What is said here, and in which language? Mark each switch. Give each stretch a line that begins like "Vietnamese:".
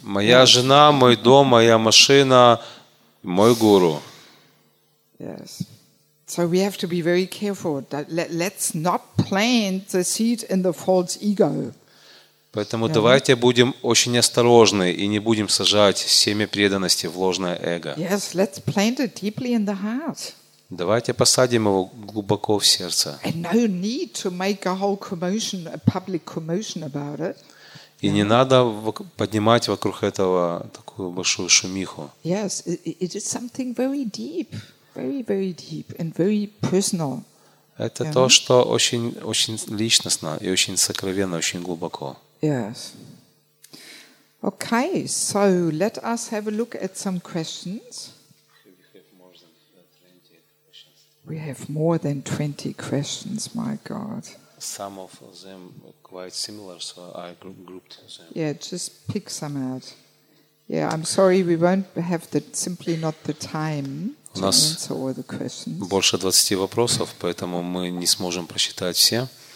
Russian: Моя жена, мой дом, моя машина, мой гуру.
English: Yes. So we have to be very careful that let's not plant the seed in the false ego.
Russian: Поэтому давайте будем очень осторожны и не будем сажать семя преданности в ложное эго.
English: Yes, let's plant it deeply in the heart.
Russian: Давайте посадим его глубоко в сердце.
English: And no need to make a whole commotion, a public commotion about it.
Russian: И не надо поднимать вокруг этого такую большую шумиху.
English: Yes, it is something very deep. Very, very deep and very personal.
Russian: Это то, что очень, очень личностно и очень сокровенно, очень глубоко.
English: Yes. Okay, so let us have a look at some questions. We have more than 20 questions, my God. Some of them are quite similar, so I grouped them. Yeah, just pick some out. Yeah, I'm sorry, we won't have the simply not the time.
Russian: У нас больше 20 вопросов, поэтому мы не сможем прочитать все.